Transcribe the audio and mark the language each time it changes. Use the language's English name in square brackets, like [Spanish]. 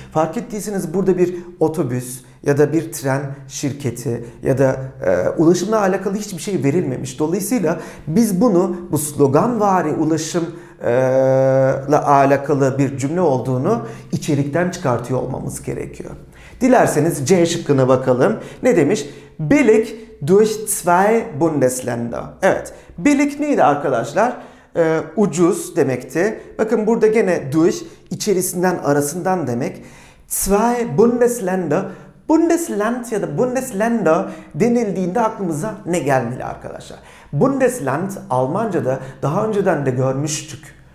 [Turkish] Fark ettiyseniz burada bir otobüs ya da bir tren şirketi ya da ulaşımla alakalı hiçbir şey verilmemiş. Dolayısıyla biz bunu bu sloganvari ulaşımla alakalı bir cümle olduğunu içerikten çıkartıyor olmamız gerekiyor. Dilerseniz C şıkkına bakalım. Ne demiş? [German] Billig durch zwei Bundesländer. [Turkish] Evet. Billig neydi arkadaşlar? Ucuz demekti. Bakın burada gene durch, içerisinden, arasından demek. [German] Zwei Bundesländer. [Turkish] Bundesland ya da Bundesländer denildiğinde aklımıza ne gelmeli arkadaşlar? Bundesland Almanca'da daha önceden de görmüştük.